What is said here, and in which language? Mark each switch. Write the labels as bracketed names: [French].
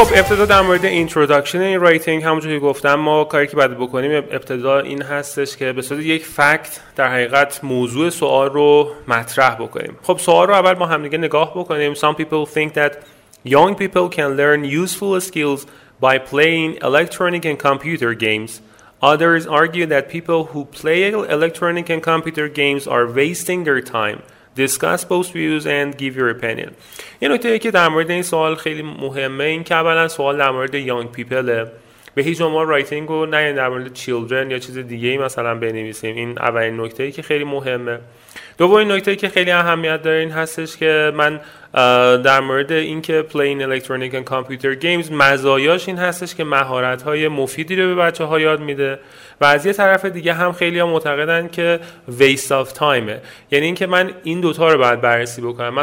[Persian] خب ابتدا در مورد اینتروداکشن این رایتینگ، همونجوری که گفتم ما کاری که باید بکنیم ابتدا این هستش که به صورت یک فکت در حقیقت موضوع سوال رو مطرح بکنیم. خب سوال رو اول با همدیگه نگاه بکنیم. [English] Some people think that young people can learn useful skills by playing electronic and computer games. Others argue that people who play electronic and computer games are wasting their time. Discuss both views and give your opinion. [Persian] یه نکته ای که در مورد این سوال خیلی مهمه این که اولا سوال در مورد young people به هیچ عنوان رایتینگ رو نه در مورد children یا چیز دیگه ای مثلا بنویسیم. این اولین نکته ای که خیلی مهمه. دومین نکته ای که خیلی اهمیت داره این هستش که من در مورد این که [English] playing electronic and computer games [Persian] مزایاش این هستش که مهارت‌های مفیدی رو به بچه‌ها یاد میده و از یه طرف دیگه هم خیلی ها معتقدن که [English] waste of time، [Persian] یعنی این که من این دوتا رو باید بررسی بکنم.